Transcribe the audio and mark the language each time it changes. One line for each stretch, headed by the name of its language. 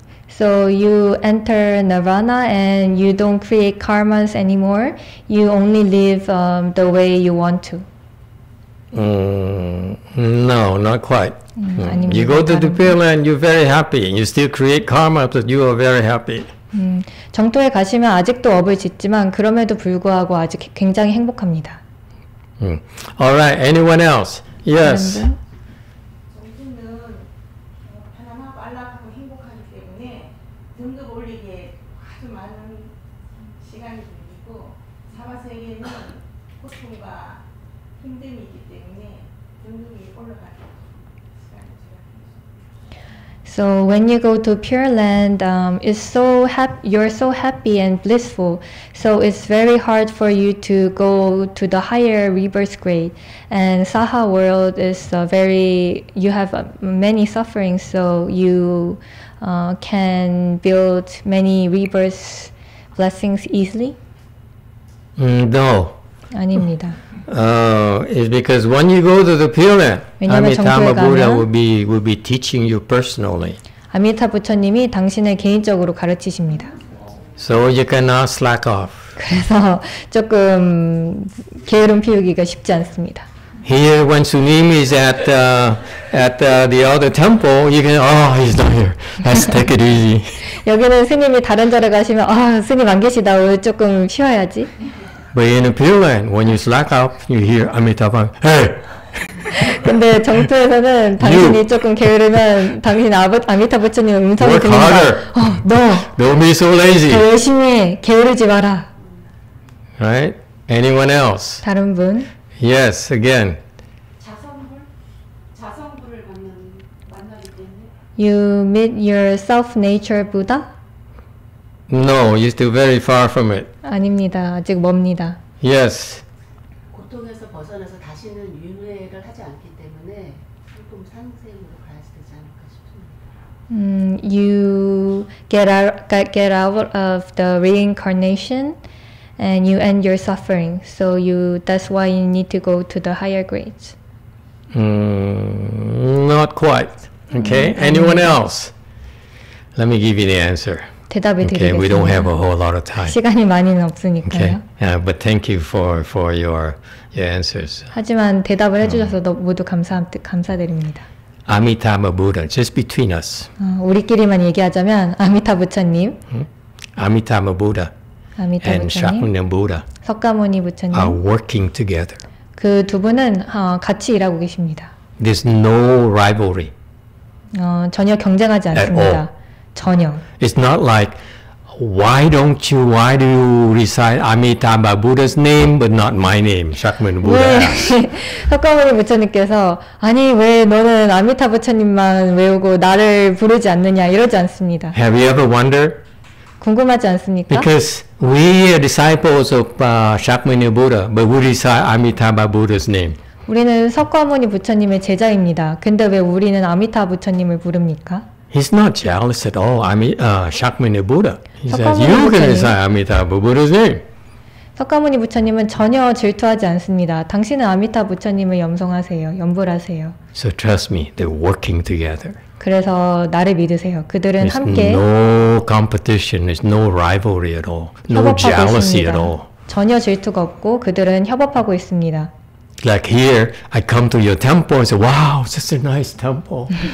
English: So you enter Nirvana and you don't create karmas anymore. You only live the way you want to. No, not quite. You go to the Pure Land, you're very happy. You still create karma, but you are very happy.
Korean: 정토에 가시면 아직도 업을 짓지만 그럼에도 불구하고 아직 굉장히 행복합니다.
English: Alright, anyone else? Yes.
Korean: 정신은 편안하고 안락하고 행복하기 때문에 등급 올리기에 아주 많은 시간이 걸리고 사바세계는 고통과 힘듦이 있기 때문에 등급이 올라가기
English: So when you go to Pure Land, you're so happy and blissful. So it's very hard for you to go to the higher rebirth grade. And Saha world is you have many sufferings, so you can build many rebirth blessings easily? No.
Korean: 아닙니다.
English: It's because when you go to the Pure Land, Amitabha Buddha will be teaching you personally.
Korean: 아미타 부처님이 당신을 개인적으로 가르치십니다.
English: So you cannot slack off.
Korean: 그래서 조금 게으름 피우기가 쉽지 않습니다.
English: Here, when Sunim is at the other temple, you can he's not here. Let's take it easy.
Korean: 여기는 스님이 다른 절에 가시면 스님 안 계시다. 오늘 조금 쉬어야지.
English: But in a Pure Land, when you slack up, you hear Amitabha, hey!
Korean: 근데 정토에서는 당신이 조금 게으르면 당신 아미타 부처님 음성이 들린다.
English: Work harder! Don't be so lazy!
Korean: 더 열심히 해! 게으르지 마라!
English: Right? Anyone else?
Korean: 다른 분?
English: Yes, again.
Korean: 자성불? 자성부를 만나기 때문에.
English: You meet your self nature Buddha? No, you're still very far from it.
Korean: 아닙니다. 아직 멉니다.
English: Yes.
Korean: 고통에서 벗어나서 다시는 윤회를 하지 않기 때문에 조금 상생으로 가야 되지 않을까 싶습니다.
English: You get out of the reincarnation and you end your suffering. So that's why you need to go to the higher grades. Not quite. Okay. Anyone else? Let me give you the answer.
Korean: 대답을 드리겠습니다.
English: Okay, we don't have a whole lot of time.
Korean: 시간이 많이는 없으니까요.
English: Okay. Yeah, but thank you for your answers.
Korean: 하지만 대답을 해주셔서 모두 감사드립니다.
English: Amitabha Buddha, just between us.
Korean: 우리끼리만 얘기하자면 아미타 부처님,
English: Amitabha Buddha, and Shakyamuni Buddha,
Korean: 석가모니 부처님,
English: are working together.
Korean: 그 두 분은 같이 일하고 계십니다.
English: There's no rivalry.
Korean: 전혀 경쟁하지 않습니다. 전혀.
English: It's not like, why do you recite Amitabha Buddha's name but not my name, Shakyamuni Buddha?
Korean: 왜 석가모니 부처님께서 아니 왜 너는 아미타 부처님만 외우고 나를 부르지 않느냐 이러지 않습니다.
English: Have you ever wondered?
Korean: 궁금하지 않습니까?
English: Because we are disciples of Shakyamuni Buddha, but we recite Amitabha Buddha's name.
Korean: 우리는 석가모니 부처님의 제자입니다. 근데 왜 우리는 아미타 부처님을 부릅니까?
English: He's not jealous at all. Shakyamuni Buddha. He says, "You can recite Amitabha Buddha's name."
Korean: 석가모니 부처님은 전혀 질투하지 않습니다. 당신은 아미타 부처님을 염송하세요, 염불하세요.
English: So trust me, they're working together.
Korean: 그래서 나를 믿으세요. 그들은 함께.
English: No competition. There's no rivalry at all. No jealousy at all.
Korean: 전혀 질투가 없고 그들은 협업하고 있습니다.
English: Like here, I come to your temple and say, "Wow, such a nice temple."